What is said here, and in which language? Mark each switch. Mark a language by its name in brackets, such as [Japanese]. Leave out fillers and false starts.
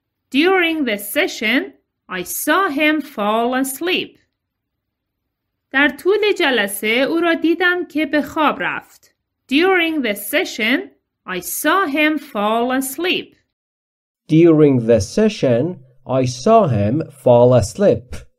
[English] During the session, I saw him fall asleep. [Persian] در طول جلسه او را دیدم که به خواب رفت. [English] During the session, I saw him fall asleep. During the session, I saw him fall asleep.